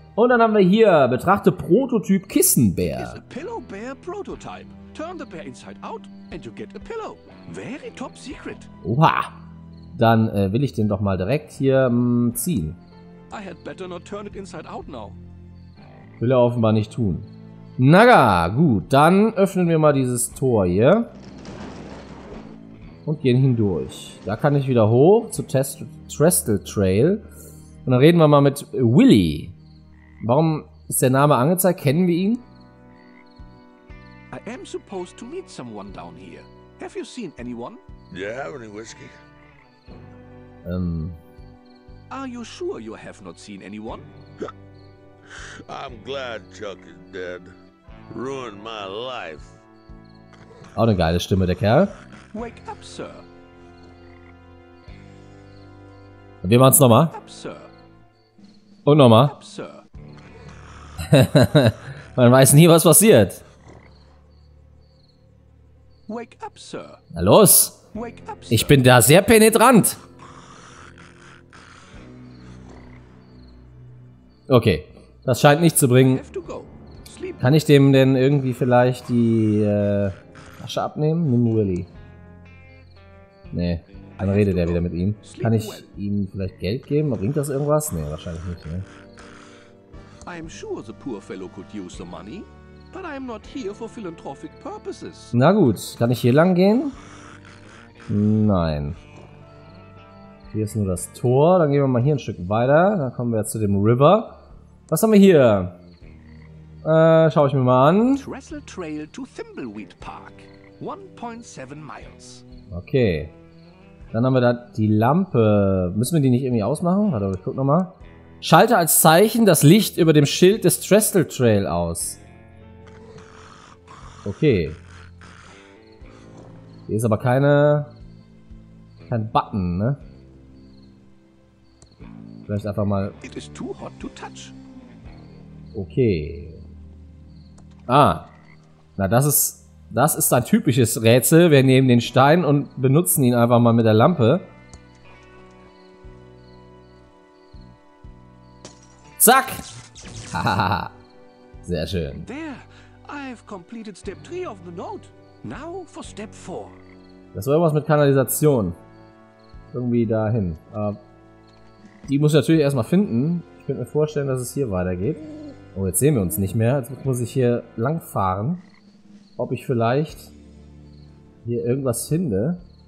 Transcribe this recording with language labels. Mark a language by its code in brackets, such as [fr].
[de] Und dann haben wir hier, betrachte Prototyp Kissenbär. [en] It's a pillow bear prototype. Turn the bear inside out and you get a pillow. Very top secret. Oha. [de] Dann will ich den doch mal direkt hier ziehen. [en] I had better not turn it inside out now. [de] Will er offenbar nicht tun. Na ja, gut, dann öffnen wir mal dieses Tor hier. Und gehen hindurch. Da kann ich wieder hoch zu Trestle Trail. Und dann reden wir mal mit Willy. Warum ist der Name angezeigt? Kennen wir ihn? [en] I am supposed to meet someone down here. Have you seen anyone? Do you have any whiskey? Are you sure you have not seen anyone? I'm glad Chuck is dead. Ruined my life. [de] Auch eine geile Stimme, der Kerl. [en] Wake up, sir. [de] Wir machen's nochmal. Und nochmal. Man weiß nie, was passiert. [en] Wake up, sir. [de] Na los. Wake up, sir. Ich bin da sehr penetrant. Okay, das scheint nicht zu bringen. Kann ich dem denn irgendwie vielleicht die Tasche abnehmen? Nimm Willy. Nee, dann redet er wieder mit ihm. Kann ich ihm vielleicht Geld geben? Bringt das irgendwas? Nee, wahrscheinlich nicht. Ne? [en] I'm sure the poor fellow could use the money, but I'm not here for philanthropic purposes. [de] Na gut, kann ich hier lang gehen? Nein. Hier ist nur das Tor. Dann gehen wir mal hier ein Stück weiter. Dann kommen wir jetzt zu dem River. Was haben wir hier? Schaue ich mir mal an. [en] Trestle Trail to Thimbleweed Park. 1.7 miles. Okay. [de] Dann haben wir da die Lampe. Müssen wir die nicht irgendwie ausmachen? Warte, ich guck nochmal. Schalte als Zeichen das Licht über dem Schild des Trestle Trail aus. Okay. Hier ist aber keine... kein Button, ne? Vielleicht einfach mal. [en] It is too hot to touch. Okay. Ah. [de] Na, das ist ein typisches Rätsel. Wir nehmen den Stein und benutzen ihn einfach mal mit der Lampe. Zack! Sehr schön. [en] There, I've completed step 3 of the note. Now for step 4. [de] Das war irgendwas mit Kanalisation. Irgendwie dahin. Die muss ich natürlich erstmal finden. Ich könnte mir vorstellen, dass es hier weitergeht. Oh, jetzt sehen wir uns nicht mehr. Jetzt muss ich hier langfahren. Ob ich vielleicht hier irgendwas finde.